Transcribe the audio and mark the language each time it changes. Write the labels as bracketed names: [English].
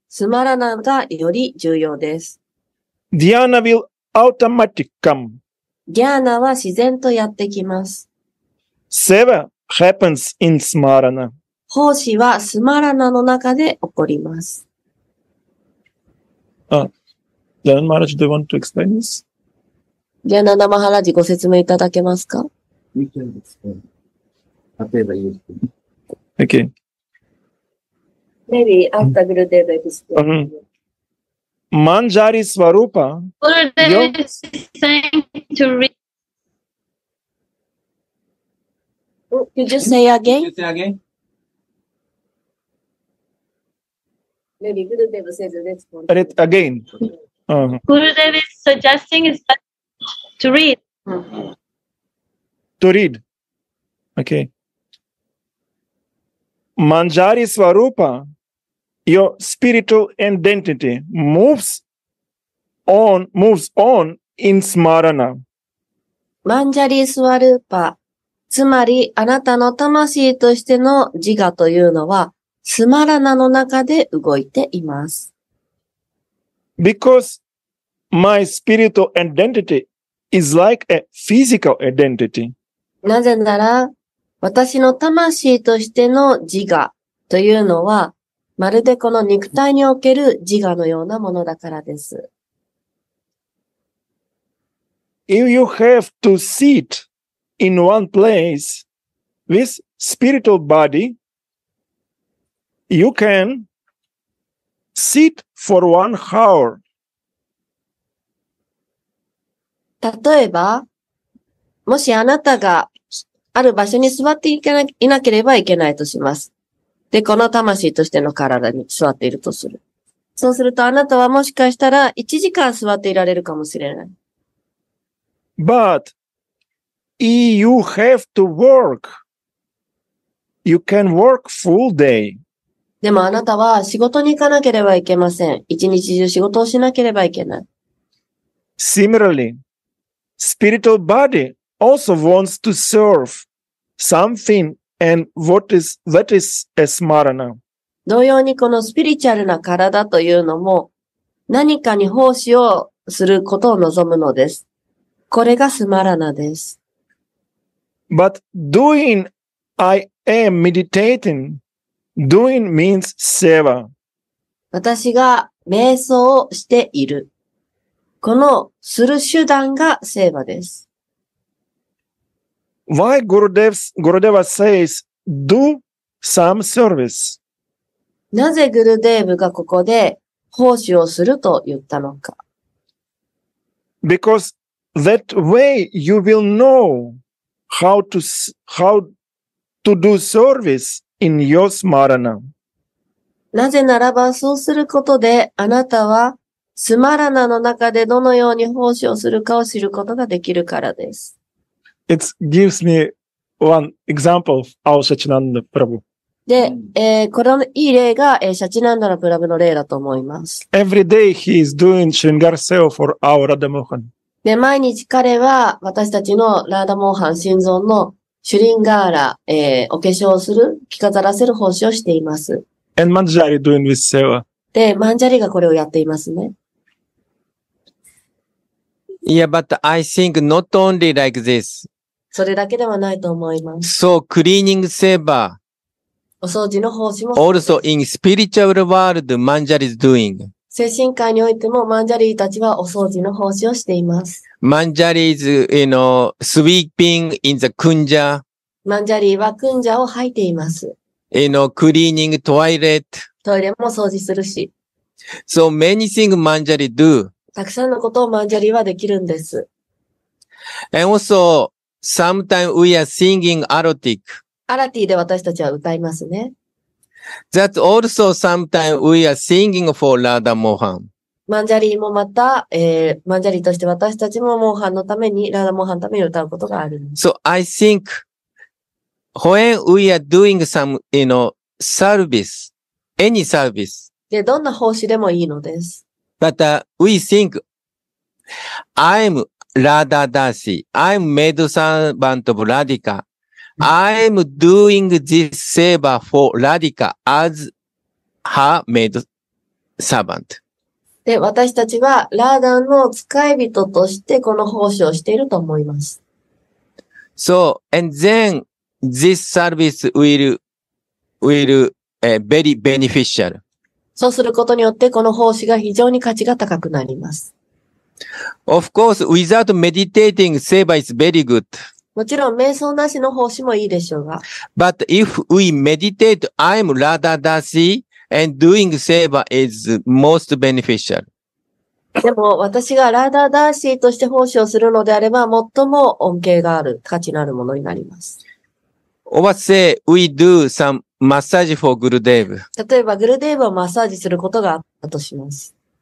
[Japanese] スマラナがより重要です。 [English] Dhyana will automatically come. [Japanese] Dhyana は自然とやってきます。 [English] Seva. Happens in Smarana. [Japanese] 奉仕はスマラナの中で起こります。 [English] Dhyana Maharaj, do you want to explain this? [Japanese] Dhyana Maharaj, ご説明いただけますか？ [English] We can explain. [Japanese] 例えば言う。 [English] Okay. Maybe after Gurudev explains. Manjari Swarupa. Gurudev is saying to read. Could you say again? Maybe Gurudev says this one. Read again. Gurudev is suggesting is to read. To read. Okay. Manjari Swarupa, your spiritual identity moves on in Smarana. Manjari Swarupa. [Japanese] つまり、あなたの魂としての自我というのは、スマラナの中で動いています。 [English] Because my spiritual identity is like a physical identity. [Japanese] なぜなら、私の魂としての自我というのは、まるでこの肉体における自我のようなものだからです。 [English] If you have to sit,In one place, this spiritual body, you can sit for 1 hour. [Japanese] 例えば、もしあなたがある場所に座っていなければいけないとします。で、この魂としての体に座っているとする。そうすると、あなたはもしかしたら1時間座っていられるかもしれない。 [English] But,You have to work. You can work full day. [Japanese] でもあなたは仕事に行かなければいけません。一日中仕事をしなければいけない。 [English] Similarly, spiritual body also wants to serve something and what is a smarana. [Japanese] 同様にこのスピリチュアルな体というのも何かに奉仕をすることを望むのです。これがスマラナです。 [English] But doing, I am meditating. Doing means seva. [Japanese] 私が瞑想をしている。このする手段がセーバです。 [English] Why Gurudeva says do some service? [Japanese] なぜグルデーブがここで奉仕をすると言ったのか。 [English] Because that way you will know how to do service in your smarana. [Japanese] なぜならばそうすることであなたはスマラナの中でどのように奉仕をするかを知ることができるからです。 [English] It gives me one example of our Shachinanda Prabhu. [Japanese] で、これのいい例が、シャチナンダのプラブの例だと思います。 [English] Every day he is doing Shringar Seva for our Radha Mohan. [Japanese] で、毎日彼は私たちのラーダモーハン心臓のシュリンガーラ、お化粧をする、着飾らせる奉仕をしています。 [English] And Manjari doing with Seva. [Japanese] で、マンジャリがこれをやっていますね。 [English] Yeah, but I think not only like this. [Japanese] それだけではないと思います。 [English] So, cleaning seva. [Japanese] お掃除の奉仕も。 [English] Also, in spiritual world, Manjari is doing. [Japanese] 精神界においても、マンジャリたちはお掃除の奉仕をしています。 [English] マンジャリ is, you know, sweeping in the kunja. [Japanese] マンジャリはクンジャを履いています。 [English] You know, cleaning toilet. [Japanese] トイレも掃除するし。 [English] So many things Manjari do. [Japanese] たくさんのことをマンジャリはできるんです。 [English] And also, sometimes we are singing arotik. [Japanese] アラティで私たちは歌いますね。 [English] That also sometimes we are singing for Radha Mohan. [Japanese] マンジャリもまた、マンジャリとして私たちもモーハンのために、ラーダモーハンのために歌うことがある。 [English] So I think, when we are doing some, you know, service,Any service. [Japanese] で、どんな奉仕でもいいのです。 [English] But, we think, I'm Radha Dasi. I'm maid servant of Radhika. I'm doing this seva for Radhika as her maid servant. [Japanese] で、私たちはラーダの使い人としてこの奉仕をしていると思います。 [English] So, and then, this service will very beneficial. [Japanese] そうすることによってこの奉仕が非常に価値が高くなります。 [English] Of course, without meditating, seva is very good. [Japanese] もちろん瞑想なしの奉仕もいいでしょうが。 [English] But if we meditate, I'm Radha Dasi, and doing seva is most beneficial. [Japanese] でも私がRadha Dasiとして奉仕をするのであれば、最も恩恵がある価値のあるものになります。 [English] Or say we do some. マッサージ for グルデーブ。 [Japanese] 例えば、グルデーブをマッサージすることがあったとします。